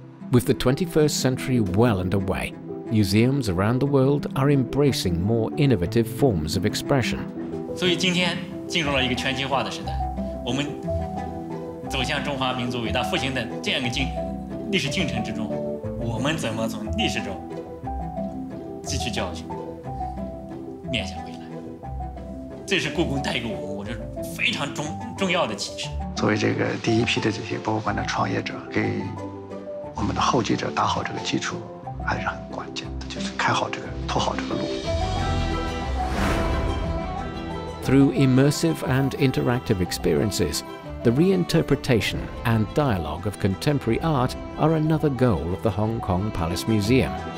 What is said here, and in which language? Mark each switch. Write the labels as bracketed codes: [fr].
[en] With the 21st century well underway, museums around the world are embracing more innovative forms of expression. So today, [zh] 进入了一个全球化的时代。我们走向中华民族伟大复兴的这样一个历史进程之中，我们怎么从历史中汲取教训，面向未来？这是故宫带给我们，我觉得非常重要的启示。作为这个第一批的这些博物馆的创业者，给 [en] Through immersive and interactive experiences, the reinterpretation and dialogue of contemporary art are another goal of the Hong Kong Palace Museum.